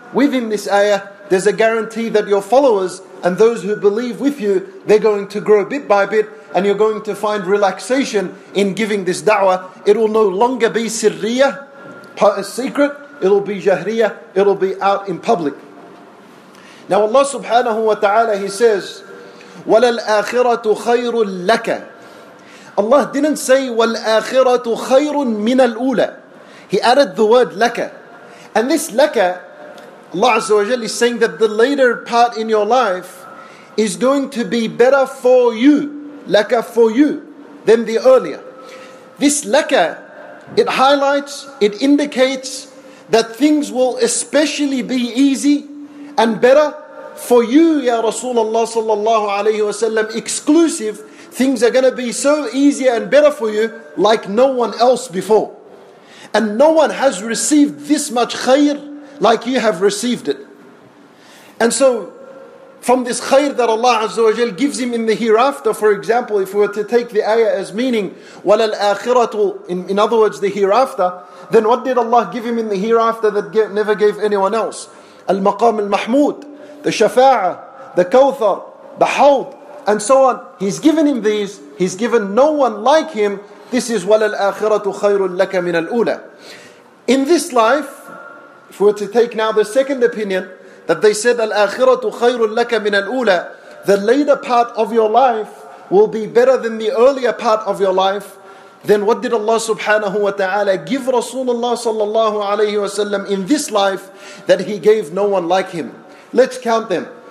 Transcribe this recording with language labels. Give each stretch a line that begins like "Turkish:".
English: Within this ayah, there's a guarantee that your followers and those who believe with you, they're going to grow bit by bit, and you're going to find relaxation in giving this da'wah. It will no longer be sirriya, part a secret, it'll be jahriya, it'll be out in public. Now Allah subhanahu wa ta'ala, He says,
Arabic: وَلَلْ آخِرَةُ خَيْرٌ لَكَ.
English: Allah didn't say,
Arabic: وَلْ آخِرَةُ خَيْرٌ مِنَ الْأُولَىٰ.
English: He added the word لَكَ. And this لَكَ, Allah Azza wa Jalla is saying that the later part in your life is going to be better for you, laka for you, than the earlier. This laka, it highlights, it indicates that things will especially be easy and better for you, Ya Rasulullah sallallahu alayhi wa sallam, exclusive. Things are going to be so easy and better for you like no one else before. And no one has received this much khair like you have received it. And so, from this khair that Allah Azza wa Jal gives him in the hereafter, for example, if we were to take the ayah as meaning,
Arabic: وَلَلْ آخِرَةُ,
English: in other words, the hereafter, then what did Allah give him in the hereafter that never gave anyone else? Al-Maqam al-Mahmood, the Shafa'a, the Kawthar, the Hawd, and so on. He's given him these, he's given no one like him. This is
Arabic: وَلَلْ آخِرَةُ خَيْرٌ لَكَ مِنَ الْأُولَىٰ.
English: In this life, if we were to take now the second opinion, that they said, Al-akhiratu khayrun laka min al-ula, the later part of your life will be better than the earlier part of your life, then what did Allah subhanahu wa ta'ala give Rasulullah sallallahu alayhi wa sallam in this life that He gave no one like Him? Let's count them.